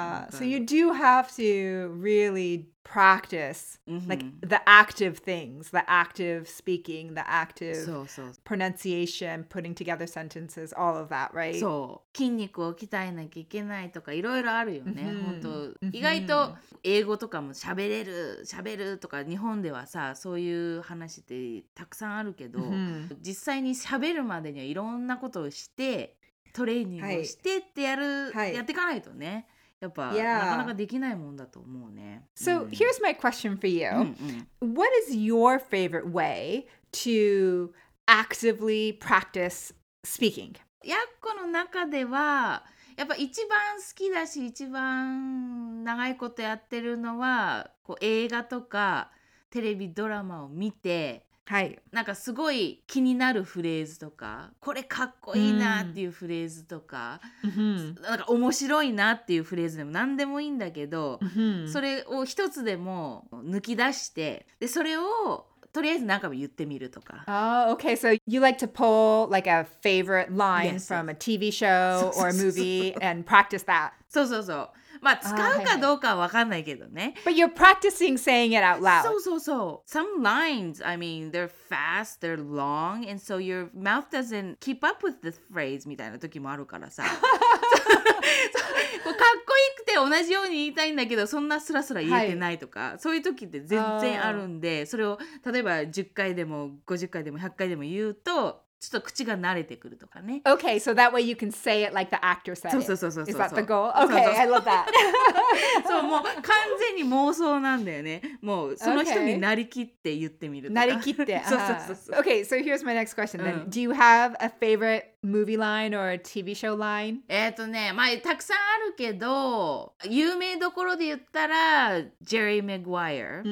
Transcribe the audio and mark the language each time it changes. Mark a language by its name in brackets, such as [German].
[English] So you do have to really practice like the active things, the active speaking, the active pronunciation, putting together sentences, all of that, right? [Japanese] そう。筋肉を鍛えなきゃいけないとかいろいろあるよね。本当、意外と英語とかも喋れる、喋るとか日本ではさ、そういう話ってたくさんあるけど、実際に喋るまでにはいろんなことをしてトレーニングをしてってやる、やっていかないとね。 [English] So here's my question for you. What is your favorite way to actively practice speaking? [Japanese] ヤッコの中ではやっぱ一番好きだし一番長いことやってるのはこう映画とかテレビドラマを見て、はい、なんかすごい気になるフレーズとかこれかっこいいなっていうフレーズとか、うん、なんか面白いなっていうフレーズでも何でもいいんだけど、うん、それを一つでも抜き出してでそれをとりあえず何かも言ってみるとか。 [English] Oh, okay, so you like to pull like a favorite line yes, from a TV show or a movie and practice that. [Japanese] そうそうそう。まあ、使うかどうかは分かんないけどね。 [English] But you're practicing saying it out loud. [Japanese] そうそうそう。 [English] Some lines, I mean, they're fast, they're long, and so your mouth doesn't keep up with the phrase [Japanese] みたいな時もあるからさ。かっこいいくて同じように言いたいんだけどそんなスラスラ言えてないとか、はい、そういう時って全然あるんでそれを例えば10回でも50回でも100回でも言うとちょっと口が慣れてくるとかね。 [English] Okay, so that way you can say it like the actor said it. [Japanese] そうそうそうそう。 [English] Is that the goal? Okay, [Japanese] そうそうそう。 [English] I love that. [Japanese] そう、もう完全に妄想なんだよね。もうその人になりきって言ってみるとか。なりきって。そうそうそうそう。 [English] Okay, so here's my next question then. Do you have a favorite movie line or a TV show line? [Japanese] まあたくさんあるけど、有名どころで言ったら、ジェリー・メグワイア。